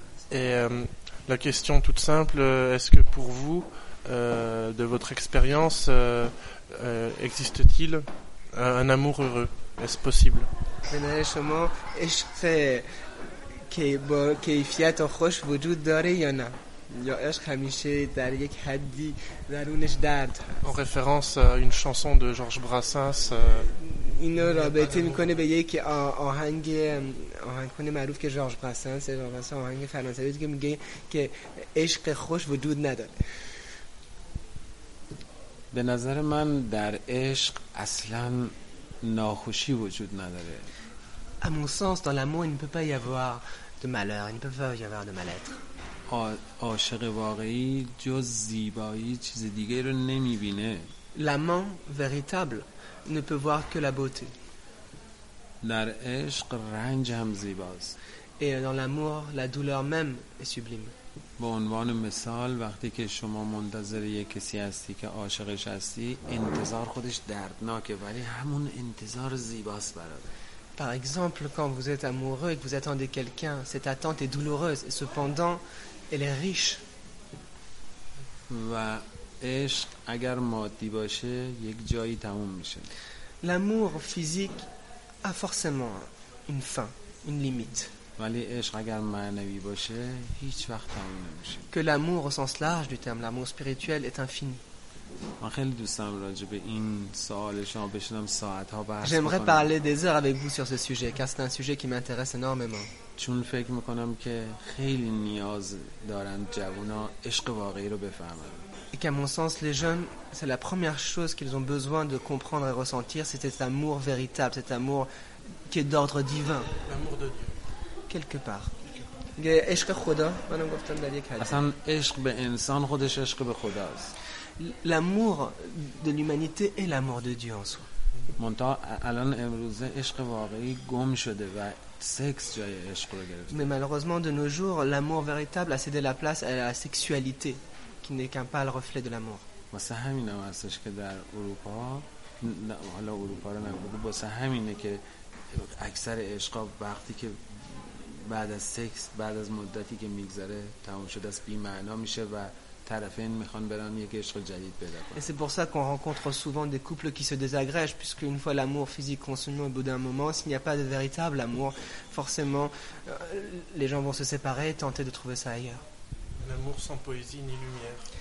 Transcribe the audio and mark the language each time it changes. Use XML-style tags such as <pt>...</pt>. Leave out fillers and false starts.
<fr>Et la question toute simple, est-ce que pour vous, de votre expérience, existe-t-il un amour heureux ? Est-ce possible ?</fr> <fa>بنابراین شما عشق که با کیفیت و خوش وجود داره یا نه؟ یا عشق همیشه در یک حدی درونش درد هست؟</fa> <fr>En référence à une chanson de Georges Brassens.</fr> <fa>اینو رابطه میکنه به یک آهنگ آهنگخونه معروف که جورج براسنس آهنگ فرانسوی که میگه که عشق خوش وجود نداره. به نظر من در عشق اصلا ناخوشی وجود نداره.</fa> <fr>À mon sens, dans l'amour, il ne peut pas y avoir de malheur, il ne peut pas y avoir de mal-être.</fr> <fa>عاشق واقعی جز زیبایی چیز دیگه رو نمیبینه.</fa> <fr>L'amant véritable ne peut voir que la beauté.</fr> <fa>در عشق رنج هم زیباست.</fa> <fr>Et dans l'amour, la douleur même est sublime.</fr> <fa>به عنوان مثال وقتی که شما منتظر یک کسی هستی که عاشقش هستی انتظار خودش دردناکه ولی همون انتظار زیباست برات.</fa> <fr>Par exemple, quand vous êtes amoureux et que vous attendez quelqu'un, cette attente est douloureuse et cependant elle est riche.</fr> <fa>و عشق اگر مادی باشه یک جایی تموم میشه.</fa> <fr>L'amour physique a forcément une fin, une limite.</fr> <fa>ولی عشق اگر معنوی باشه هیچ وقت تموم نمیشه.</fa> <fr>Que l'amour au sens large du terme, l'amour spirituel est infini.</fr> <fa>من خیلی دوست دارم راجع به این سوال شما بشنم ساعت ها بحث کنم.</fa> <fr>J'aimerais parler des heures avec vous sur ce sujet car c'est un sujet qui m'intéresse énormément.</fr> <fa>چون فکر میکنم که خیلی نیاز دارن جوونا عشق واقعی رو بفهمن.</fa> <fr>Et qu'à mon sens, les jeunes, c'est la première chose qu'ils ont besoin de comprendre et ressentir, c'est cet amour véritable, cet amour qui est d'ordre divin. L'amour de Dieu. Quelque part.</fr> <fa>عشق خدا منم گفتم در یک حدی. اصلا عشق به انسان خودش عشق به خداست.</fa> <fr>L'amour de l'humanité est l'amour de Dieu en soi.</fr> <fa>منتها الان امروزه عشق واقعی گم شده و سکس جای عشق رو گرفته.</fa> <fr>Mais malheureusement de nos jours, l'amour véritable a cédé la place à la sexualité. Qui n'est qu'un pâle reflet de l'amour.</fr> <fa>واسه همینه واسه که در اروپا حالا اروپا رو نگو واسه همینه که اکثر عشقا وقتی که بعد از سکس بعد از مدتی که میگذره تموم شده است بی‌معنا میشه و طرفین میخوان برن یک عشق جدید پیدا کنن.</fa> <fr>C'est pour ça qu'on rencontre souvent des couples qui se désagrègent puisque une fois l'amour physique consumé au bout d'un moment, s'il n'y a pas de véritable amour, forcément les gens vont se séparer et tenter de trouver ça ailleurs. L'amour sans poésie ni lumière.</fr>